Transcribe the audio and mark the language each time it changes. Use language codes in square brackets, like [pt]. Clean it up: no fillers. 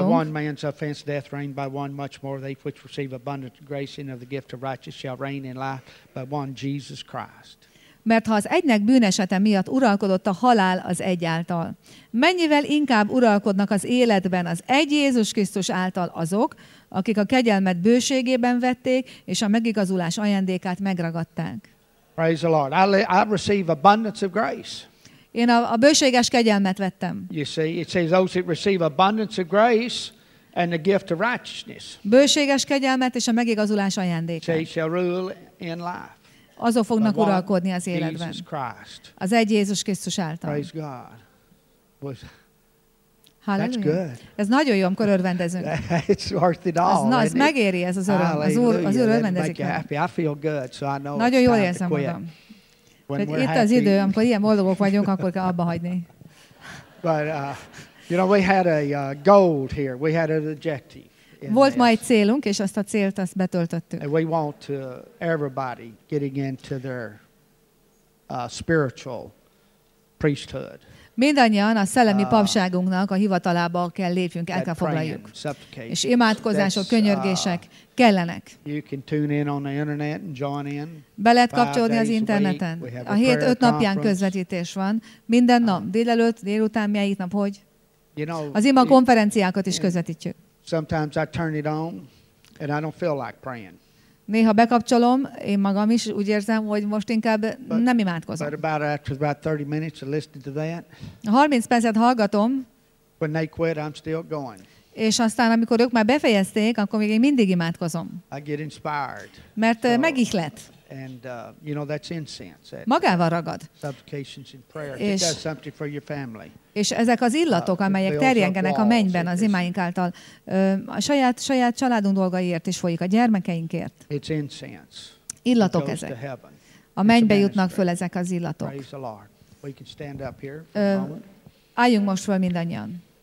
[en] By one man's offense death reigned by one much more they which receive abundant grace and of the gift of righteousness shall reign in life by one Jesus Christ. [hu] Mert ha az egynek bűnesete miatt uralkodott a halál az egy által, mennyivel inkább uralkodnak az életben az egy Jézus Krisztus által azok, akik a kegyelmet bőségében vették, és a megigazulás ajándékát megragadták. [en] Praise the Lord. I receive abundance of grace. [hu] Én a bőséges kegyelmet vettem. [en] You see, it says those that receive abundance of grace and the gift of righteousness. [hu] Bőséges kegyelmet és a megigazulás ajándékát. [en] They shall rule in life. [hu] Azok fognak uralkodni az életben. Az egy Jézus Krisztus által. [en] Praise God. That's good. [hu] Ez nagyon jó, amikor örvendezünk. [en] It's worth it all. [hu] Ez megéri, ez az öröm. Az Úr örvendezik. [en] I feel good, so I know. [hu] Nagyon jól érzem magam. Itt az idő, amikor ilyen boldogok vagyunk, akkor kell abba hagyni. [en] But you know, we had a goal here. We had an objective. [hu] Volt ma egy célunk, és azt a célt azt betöltöttük. [en] And we want to everybody getting into their spiritual priesthood. [hu] Mindannyian a szellemi papságunknak a hivatalába kell lépjünk, el kell foglaljuk. És imádkozások, könyörgések kellenek. [en] You can tune in on the internet and join in. [hu] Be lehet kapcsolni az interneten. A hét öt napján közvetítés van. Minden nap, délelőtt, délután, melyik nap, hogy? [en] You know, [hu] az ima konferenciákat is közvetítjük. [en] Sometimes I turn it on and I don't feel like praying. [hu] Néha bekapcsolom, én magam is úgy érzem, hogy most inkább nem imádkozom. [en] But about 30 minutes of listening to that. [hu] 30 percet hallgatom. [en] When they quit, I'm still going. [hu] És aztán, amikor ők már befejezték, akkor még én mindig imádkozom. [en] I get inspired. [hu] Mert megihlet. [en] And you know that's incense. [hu] Magával ragad. [en] Supplications and prayers. It does something for your family. [hu] És ezek az illatok, amelyek terjengenek a mennyben az imáink által, a saját családunk dolgaiért is folyik, a gyermekeinkért. [en] It's incense. [hu] Illatok ezek. A mennybe jutnak föl ezek az illatok. [en] Praise the Lord. We can stand up here. [hu] Álljunk most föl mindannyian.